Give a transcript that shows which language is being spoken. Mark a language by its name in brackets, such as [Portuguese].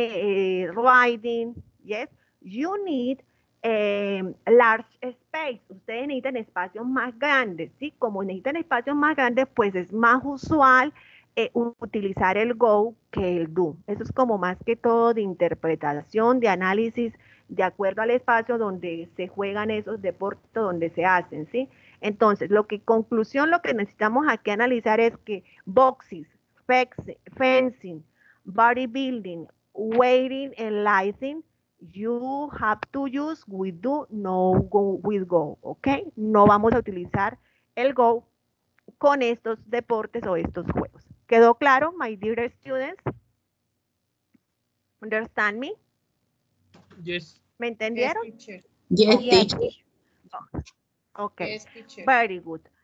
[English] When you go swimming, when you go cycling, or riding, yes, you need a large space. [Spanish] Ustedes necesitan espacios más grandes, ¿sí? Como necesitan espacios más grandes, pues es más usual utilizar el go que el do. Eso es como más que todo de interpretación, de análisis, de acuerdo al espacio donde se juegan esos deportes, donde se hacen, ¿sí? Entonces, lo que conclusión, lo que necesitamos aquí analizar es que boxes, [English] fencing, bodybuilding, waiting and lighting, you have to use we do, no go, with go, ¿ok? [Spanish] No vamos a utilizar el go con estos deportes o estos juegos. ¿Quedó claro, [English] my dear students? Understand me? Yes. [Spanish] ¿Me entendieron? [English] Yes, teacher. Yes, teacher. Okay. Yes, teacher. Very good.